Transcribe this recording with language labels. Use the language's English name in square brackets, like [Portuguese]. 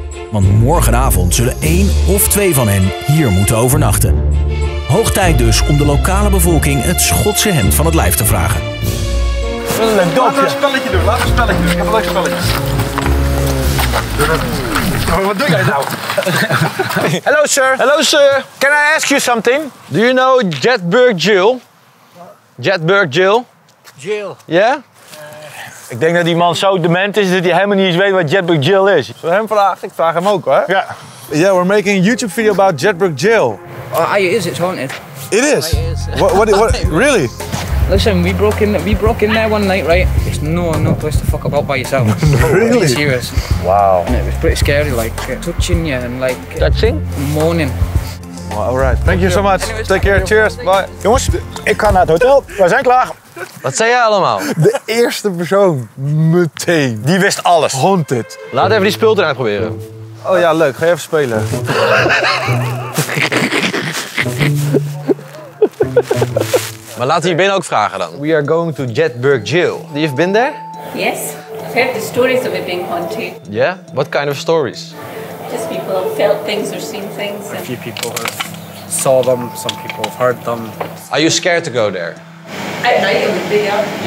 [Dutch] Want morgenavond zullen één of twee van hen hier moeten overnachten. Hoog tijd dus om de lokale bevolking het Schotse hemd van het lijf te vragen. Wat een leuk dorpje. Laten we een spelletje doen. Wat doe jij nou? [English] Hallo sir. Hallo sir. Can I ask you something? Do you know Jedburgh Jail? Jedburgh Jail? Jail. Ja? Yeah? [Dutch] Ik denk dat die man zo dement is dat hij helemaal niet eens weet wat Jedburgh Jail is. Zullen we hem vragen? Ik vraag hem ook hoor. Ja. [English] Yeah, we're making a YouTube video about Jedburgh Jail. It is. What? Really? Listen, we broke in there one night, right? It's no place to fuck about by yourself. Really? It's serious. Wow. And it was pretty scary, like touching you and like touching, moaning. Well, all right. Thank you so much. Anyways, take care. Cheers. Bye. [Dutch] Jongens, ik ga naar het hotel. We zijn klaar. Wat zei jij allemaal? De eerste persoon meteen. Die wist alles. [English] Haunted. [Dutch] Laat even die spul eruit proberen. Oh ja, leuk. Ga je even spelen. Maar laten we je binnen ook vragen dan. [English] We are going to Jedburgh Jail. You've been there? Yes. I've heard the stories of it being haunted. Yeah? What kind of stories? Just people have felt things or seen things. A few people have saw them, some people have heard them. Are you scared to go there? At night it would be, yeah.